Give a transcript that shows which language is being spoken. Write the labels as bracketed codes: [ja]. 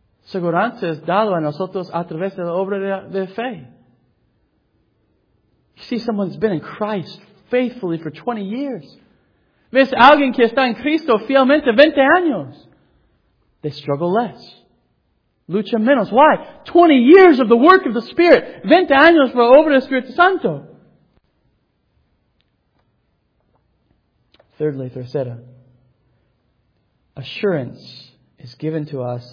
[es] Seguranza es dado a nosotros a través de la obra de fe. [en] You see, someone's been in Christ faithfully for 20 years. [es] Ves alguien que está en Cristo fielmente 20 años. [en] They struggle less. [es] Lucha menos. [en] Why? 20 years of the work of the Spirit. [es] 20 años por obra del Espíritu Santo. [en] Thirdly, tercera. Assurance is given to us.